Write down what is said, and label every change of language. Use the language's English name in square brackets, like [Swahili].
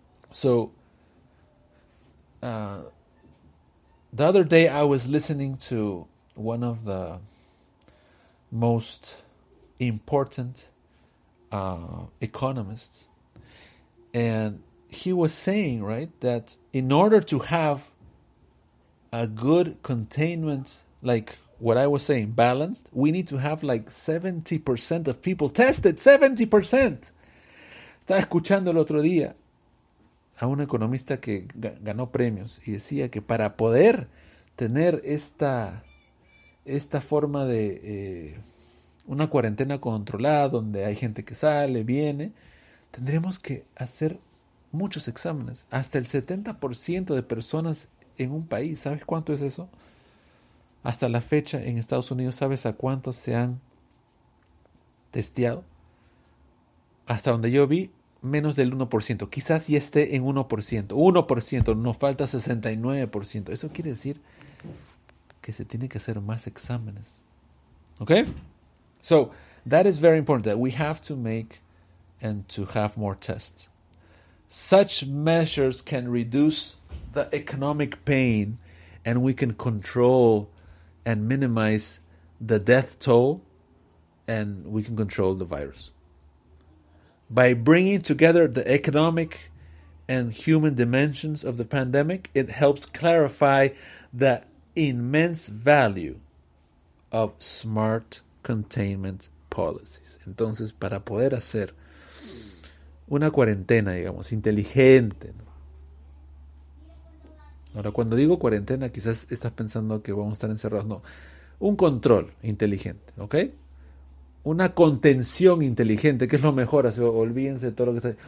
[English] So, the other day I was listening to one of the most important economists, and he was saying, right, that in order to have a good containment, like what I was saying, balanced, we need to have like 70% of people tested. 70%! [Spanish] Estaba escuchando el otro día a un economista que ganó premios y decía que para poder tener esta forma de una cuarentena controlada donde hay gente que sale, viene, tendríamos que hacer muchos exámenes. Hasta el 70% de personas en un país. ¿Sabes cuánto es eso? Hasta la fecha en Estados Unidos, ¿sabes a cuántos se han testeado? Hasta donde yo vi, menos del 1%. Quizás ya esté en 1%. 1%, nos falta 69%. Eso quiere decir que se tiene que hacer más exámenes. ¿Ok? [English] So, that is very important, that we have to make and to have more tests. Such measures can reduce the economic pain and we can control and minimize the death toll and we can control the virus. By bringing together the economic and human dimensions of the pandemic, it helps clarify the immense value of smart containment policies. [Spanish] Entonces, para poder hacer una cuarentena, digamos, inteligente, ¿no? Ahora, cuando digo cuarentena, quizás estás pensando que vamos a estar encerrados. No, un control inteligente, ¿ok? Una contención inteligente, que es lo mejor, así, olvídense de todo lo que está...